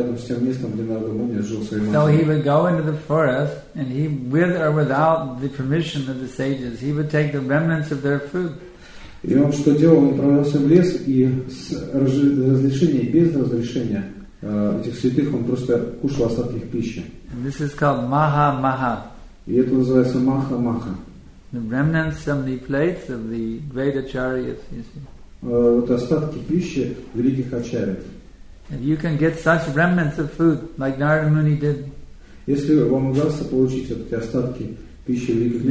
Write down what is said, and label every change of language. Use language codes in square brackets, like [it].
[en] So he would go into the forest, and he, with or without the permission of the sages, he would take the remnants of their food. [ru] И он что делал? Он отправился в лес и с разрешения, без разрешения этих святых, он просто кушал остатки их пищи. [en] And this is called Maha-Maha. [ru] И это называется Маха-Маха. [en] The remnants of the plates of the great acharyas, you see. [ru] Вот остатки пищи великих ачарьев. [en] And you can get such remnants of food, like Narada Muni did. [ru] Если вам удастся получить вот эти остатки пищи великих